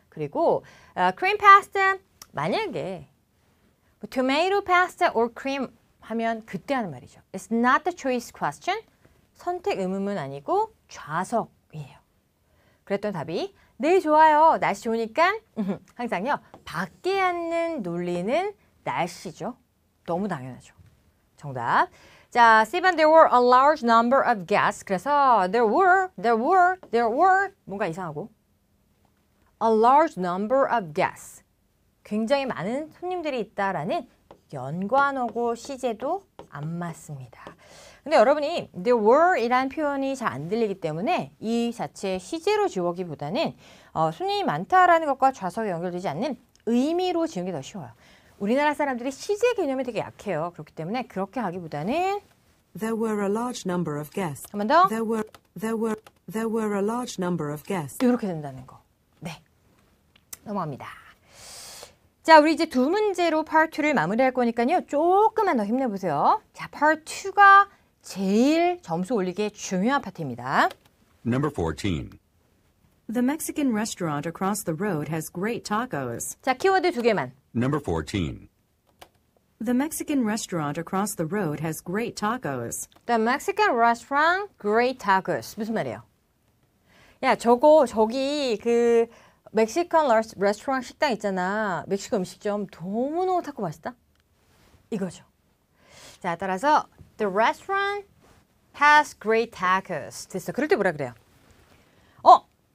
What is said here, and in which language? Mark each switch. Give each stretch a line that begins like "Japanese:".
Korean: 그리고 cream pasta, 만약에 뭐,
English: tomato pasta or cream
Korean: 하면 그때 하는 말이죠.
English: It's not the choice question.
Korean: 선택 의문은 아니고 좌석이에요. 그랬던 답이 네, 좋아요. 날씨 좋으니까 항상요. 밖에 앉는 논리는 날씨죠. 너무 당연하죠. 정답.
English: 자, C번, there were a large number of guests.
Korean: 그래서
English: there were
Korean: 뭔가 이상하고
English: a large number of guests.
Korean: 굉장히 많은 손님들이 있다라는 연관어고 시제도 안 맞습니다. 근데 여러분이
English: there were
Korean: 이라는 표현이 잘 안 들리기 때문에 이 자체 시제로 지우기보다는 손님이 많다라는 것과 좌석이 연결되지 않는 의미로 지우는 게 더 쉬워요. 우리나라 사람들이 시제 개념이 되게 약해요. 그렇기 때문에 그렇게 하기보다는
English: There were a large number of guests.
Korean: 한 번 더.
English: There were a large number of guests.
Korean: 이렇게 된다는 거. 네. 넘어갑니다. 자, 우리 이제 두 문제로 part 2를 마무리할 거니까요. 조금만 더 힘내보세요. 자, part 2가 제일 점수 올리기에 중요한 파트입니다.
English: Number 14. The Mexican restaurant across the road has great tacos.
Korean: 자, 키워드 두 개만.
English: Number 14. The Mexican restaurant across the road has great tacos. The Mexican restaurant, great tacos.
Korean: 무슨 말이에요? 야, 저거, 저기, 그 멕시칸 레스토랑 식당 있잖아. 멕시코 음식점 너무너무 타코 맛있다. 이거죠. 자, 따라서
English: The restaurant has great tacos.
Korean: 됐어. 그럴 때 뭐라 그래요? 어?